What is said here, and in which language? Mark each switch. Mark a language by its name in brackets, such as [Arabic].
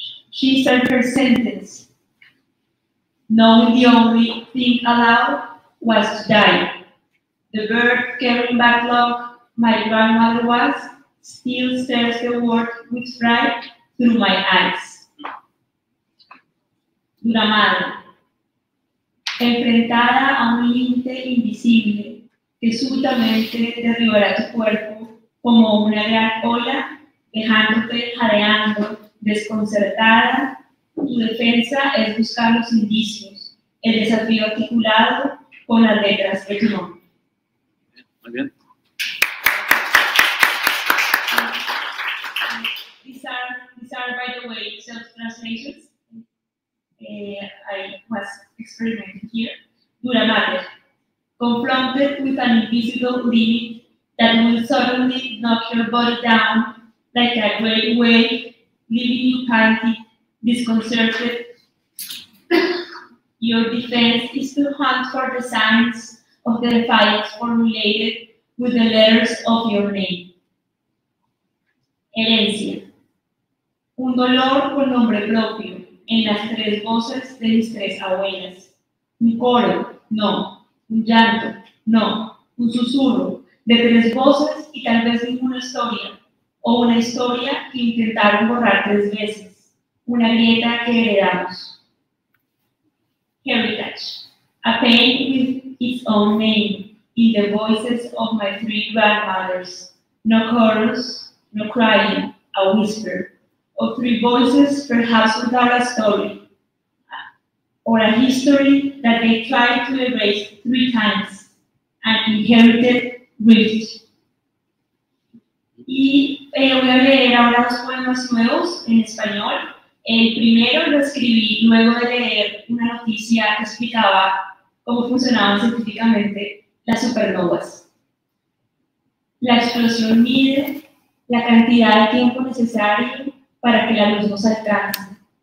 [English] She said her sentence, knowing the only thing allowed was to die. The bird carrying back love, my grandmother was, still stares the world with fright through my eyes. [Spanish] Una madre, enfrentada a un límite invisible, que súbitamente derribará tu cuerpo como una gran ola, dejándote jadeando, desconcertada. Tu defensa es buscar los indicios, el desafío articulado con las letras de tu nombre. Muy bien. [English] These are, by the way, self-translations. I was experimenting here. [Spanish] Dura madre. [English] Confronted with an invisible limit that will suddenly knock your body down like a great wave, leaving you panting, disconcerted. Your defense is to hunt for the signs of the defiance formulated with the letters of your name. [Spanish] Herencia. Un dolor con nombre propio en las tres voces de mis tres abuelas. Un coro, no. Un llanto, no, un susurro, de tres voces y tal vez ninguna historia, o una historia que intentaron borrar tres veces, una grieta que heredamos. [English] Heritage, a pain with its own name, in the voices of my three grandmothers, no chorus, no crying, a whisper, of three voices perhaps without a story, or a history that they tried to erase three times, an inherited rift. [Spanish] Y voy a leer ahora dos poemas nuevos en español. El primero lo escribí luego de leer una noticia que explicaba cómo funcionaban científicamente las supernovas. La explosión mide la cantidad de tiempo necesario para que la luz nos alcance.